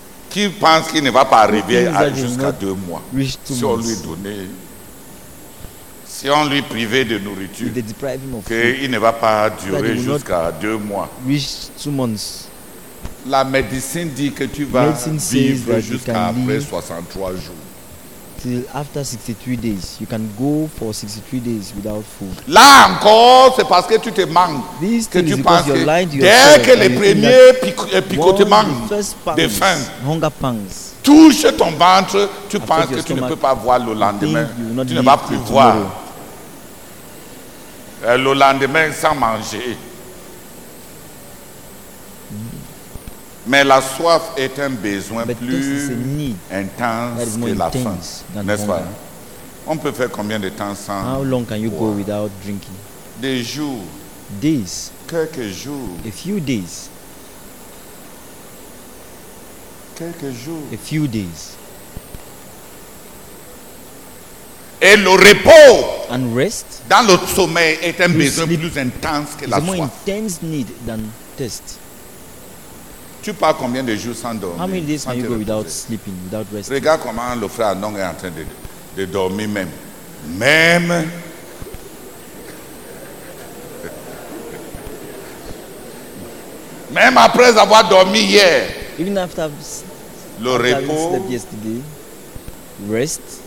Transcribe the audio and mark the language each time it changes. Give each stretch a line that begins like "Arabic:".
French: Qui pense qu'il ne va pas arriver à jusqu'à 2 mois si
English: months.
French: On lui donnait, si on lui privait de nourriture, qu'il ne va pas durer jusqu'à 2 mois.
English: Reach 2 months.
French: La médecine dit que tu vas vivre jusqu'à après 63 jours.
English: Till after 63 days, you can go for 63 days without food.
French: Là encore, c'est parce que tu te manques que tu penses que dès que les premiers picotements de faim
English: hunger pangs
French: touchent ton ventre, tu penses que tu ne peux pas voir le lendemain. Tu ne vas plus voir le lendemain sans manger. Mais la soif est un besoin
English: but
French: plus intense que la faim, n'est-ce pas? On peut faire combien de temps sans
English: how long can you go without drinking?
French: Des jours.
English: Days.
French: Quelques jours.
English: A few days.
French: Quelques jours.
English: A few days.
French: Et le repos
English: and rest
French: dans le sommeil est un besoin plus intense que la soif.
English: More intense need than thirst.
French: Tu pars combien de jours sans dormir?
English: How many days can you go without sleeping, without resting?
French: Regarde comment le frère Anong est en train de dormir même. Même. Même après avoir dormi hier.
English: Even after
French: le repos
English: slept yesterday, rest